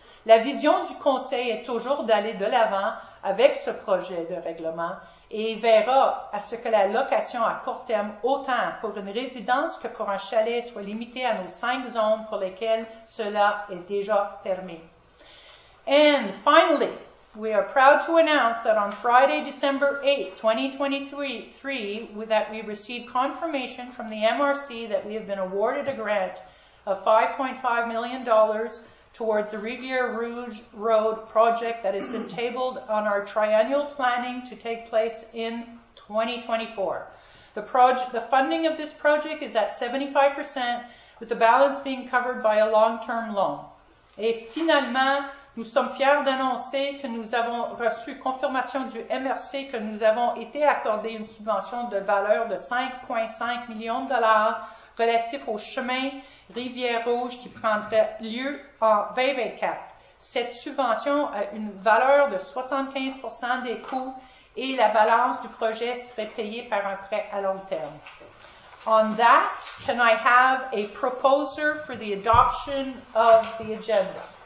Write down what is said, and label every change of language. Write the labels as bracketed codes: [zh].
[fr] La vision du Conseil est toujours d'aller de l'avant avec ce projet de règlement et verra à ce que la location à court terme, autant pour une résidence que pour un chalet, soit limitée à nos 5 zones pour lesquelles cela est déjà permis. [en] And finally, we are proud to announce that on Friday, December 8, 2023, that we received confirmation from the MRC that we have been awarded a grant of $5.5 million towards the Riviere Rouge Road project that has been tabled on our triennial planning to take place in 2024. The funding of this project is at 75%, with the balance being covered by a long-term loan. [fr] Et finalement, nous sommes fiers d'annoncer que nous avons reçu confirmation du MRC que nous avons été accordé une subvention de valeur de 5,5 millions de dollars relatif au chemin Rivière Rouge qui prendrait lieu en 2024. Cette subvention a une valeur de 75% des coûts et la balance du projet serait payée par un prêt à long terme. [en] On that, can I have a proposer for the adoption of the agenda?